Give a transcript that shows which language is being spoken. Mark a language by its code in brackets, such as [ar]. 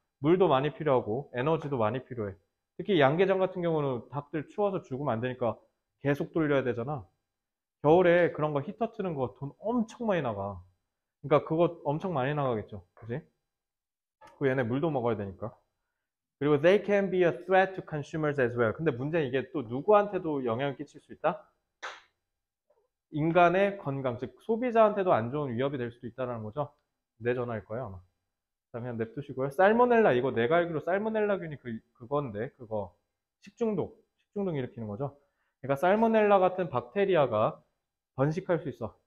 [ko] 물도 많이 필요하고 에너지도 많이 필요해. 특히 양계장 같은 경우는 닭들 추워서 죽으면 안 되니까 계속 돌려야 되잖아. 겨울에 그런 거 히터 트는 거돈 엄청 많이 나가. 그러니까 그거 엄청 많이 나가겠죠. 그지? 그 얘네 물도 먹어야 되니까. [en] 그리고 they can be a threat to consumers as well. [ko] 근데 문제는 이게 또 누구한테도 영향을 끼칠 수 있다? 인간의 건강, 즉 소비자한테도 안 좋은 위협이 될 수도 있다는 거죠. 내 전화일 거예요, 아마. 자, 그냥 냅두시고요. 살모넬라, 이거 내가 알기로 살모넬라균이 그건데, 그거. 식중독 일으키는 거죠. 그러니까 살모넬라 같은 박테리아가 번식할 수 있어.